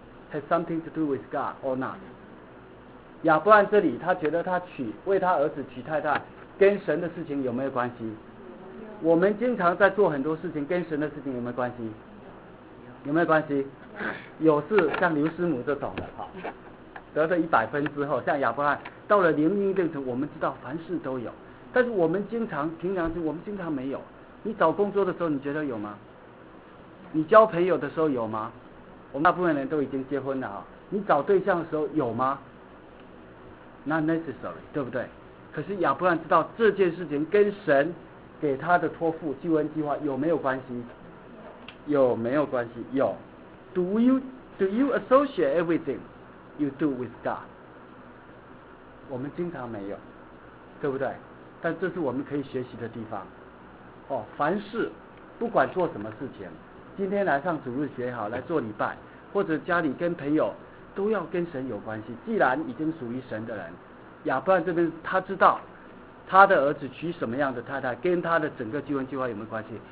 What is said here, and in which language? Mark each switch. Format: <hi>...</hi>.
<en>has something to do with God or not.</en> <zh>亚伯兰这里他觉得他娶为他儿子娶太太跟神的事情有没有关系？我们经常在做很多事情跟神的事情有没有关系？有没有关系？有，是像刘师母这种的，好，得了100分之后，像亚伯兰到了灵命认识，我们知道凡事都有，但是我们经常凭良心，我们经常没有。你找工作的时候你觉得有吗？你交朋友的时候有吗？我们大部分人都已经结婚了，你找对象的时候有吗？</zh> <en>Not necessary，</en> <zh>对不对？可是亚伯兰知道这件事情跟神给他的托付救恩计划有没有关系？有没有关系？有。</zh> <en>Do you associate everything you do with God？</en> <zh>我们经常没有，对不对？但这是我们可以学习的地方。哦，凡事不管做什么事情，今天来上主日学也好，来做礼拜，或者家里跟朋友，都要跟神有关系。既然已经属于神的人，亚伯兰这边他知道他的儿子娶什么样的太太跟他的整个救恩计划有没有关系？</zh>